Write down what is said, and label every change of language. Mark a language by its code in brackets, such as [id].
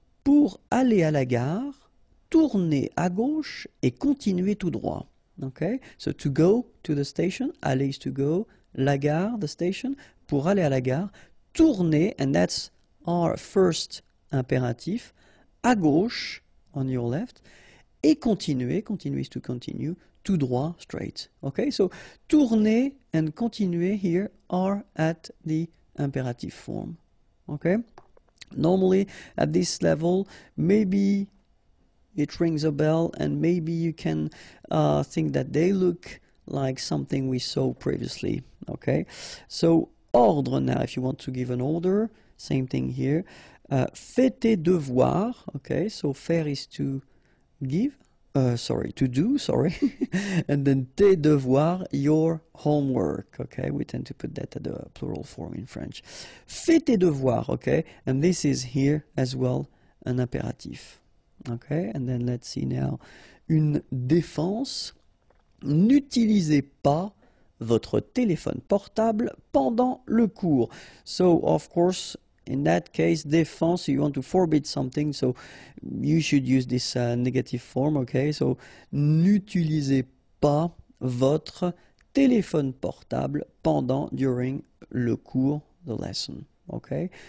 [fr] Pour aller à la gare, tourner à gauche et continuer tout droit. [en] Okay, so to go to the station, aller is to go, la gare, the station. [fr] Pour aller à la gare, tourner, [en] and that's our first imperatif, [fr] à gauche, [en] on your left, [fr] et continuer, [en] continue is to continue, [fr] tout droit, [en] straight. Okay, so tourner and continuer here are at the imperative form. Okay, normally at this level, maybe it rings a bell and maybe you can think that they look like something we saw previously. Okay, so ordre now, if you want to give an order, same thing here. [fr] Fais tes devoirs. [en] Okay, so faire is to give. To do, and then [fr] tes devoirs, [en] your homework, okay? We tend to put that at the plural form in French. [fr] Fais tes devoirs, [en] okay? And this is here as well, an impératif, okay? And then let's see now, [fr] une défense. N'utilisez pas votre téléphone portable pendant le cours. [en] So, of course, in that case, défense, you want to forbid something, so you should use this negative form, okay? [fr] So, n'utilisez pas votre téléphone portable pendant, [en] during, [fr] le cours, [en] the lesson, okay?